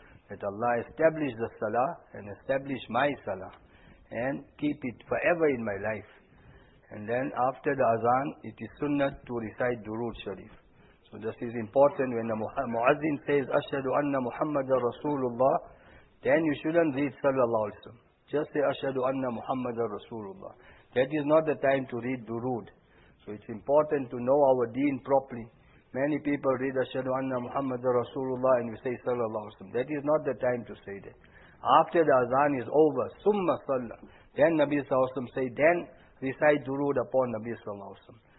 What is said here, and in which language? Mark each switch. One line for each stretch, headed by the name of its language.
English: That Allah established the salah and established my salah and keep it forever in my life. And then after the azan, it is sunnah to recite Durood Sharif. So this is important. When the muazzin says,
Arabic: أَشْهَدُ أَنَّ مُحَمَّدَ رَسُولُ اللَّهِ,
English: then you shouldn't read sallallahu alayhi wa sallam. Just say,
Arabic: أَشْهَدُ أَنَّ مُحَمَّدَ رَسُولُ اللَّهِ.
English: That is not the time to read Durood. So it's important to know our deen properly. Many people read,
Arabic: أَشْهَدُ أَنَّ مُحَمَّدَ رَسُولُ اللَّهِ,
English: and we say,
Arabic: صَلَى اللَّهُ عَلَيْهِ وَسَلَّمُ.
English: That is not the time to say that. After the azan is over,
Arabic: ثُمَّ صَلَّى,
English: then Nabi صلى الله عليه وسلم say, then recite Durood upon Nabi صلى الله عليه وسلم.